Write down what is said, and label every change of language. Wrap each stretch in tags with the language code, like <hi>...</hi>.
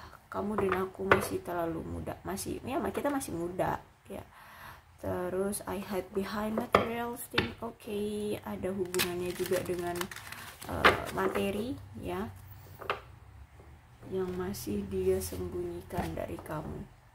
<id>Kamu dan aku masih terlalu muda, masih ya, kita masih muda ya.</id> <en>Terus I hide behind material thing.</en> <id>Okay, ada hubungannya juga dengan materi ya, yang masih dia sembunyikan dari kamu.</id>